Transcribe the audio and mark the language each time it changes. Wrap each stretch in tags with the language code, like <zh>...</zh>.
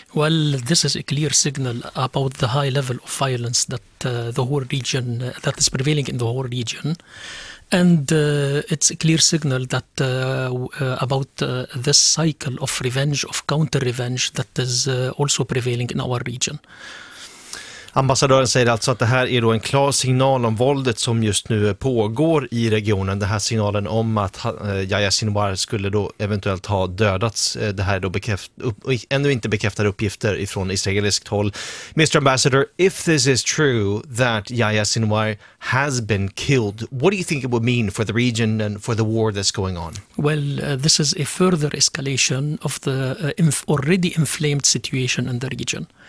<en>Well, this is a clear signal about the high level of violence that the whole region that is prevailing in the whole region. And it's a clear signal that about this cycle of revenge, of counter-revenge, that is also prevailing in our region.</en> <sv>Ambassadören säger alltså att det här är då en klar signal om våldet som just nu pågår i regionen. Den här signalen om att Yahya Sinwar skulle då eventuellt ha dödats. Det här är då ännu inte bekräftade uppgifter från israeliskt håll.</sv> <en>Mr. Ambassador, if this is true that Yahya Sinwar has been killed, what do you think it would mean for the region and for the war that's going on? Well, this is a further escalation of the already inflamed situation in the region.</en>